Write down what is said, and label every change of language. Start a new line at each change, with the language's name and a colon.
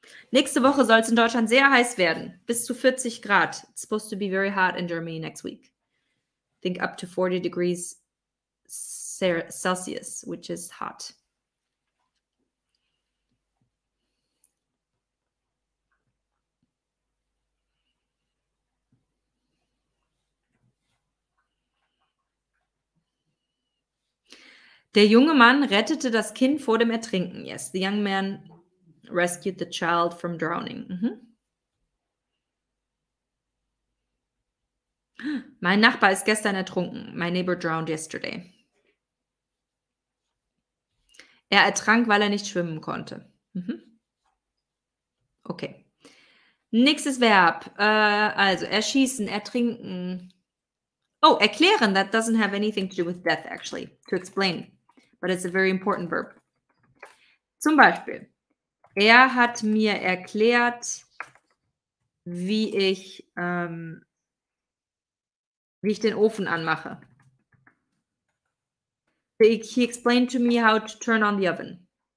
German: Nächste Woche soll es in Deutschland sehr heiß werden. Bis zu 40 Grad.
English: It's supposed to be very hot in Germany next week. Think up to 40 degrees Celsius, which is hot.
German: Der junge Mann rettete das Kind vor dem Ertrinken.
English: Yes, the young man rescued the child from drowning. Mm-hmm.
German: Mein Nachbar ist gestern ertrunken.
English: My neighbor drowned yesterday.
German: Er ertrank, weil er nicht schwimmen konnte. Mm-hmm. Okay. Nächstes Verb. Also, erschießen, ertrinken. Oh, erklären.
English: That doesn't have anything to do with death, actually. To explain. But it's a very important verb.
German: Zum Beispiel, er hat mir erklärt, wie ich den Ofen anmache.
English: He explained to me how to turn on the oven.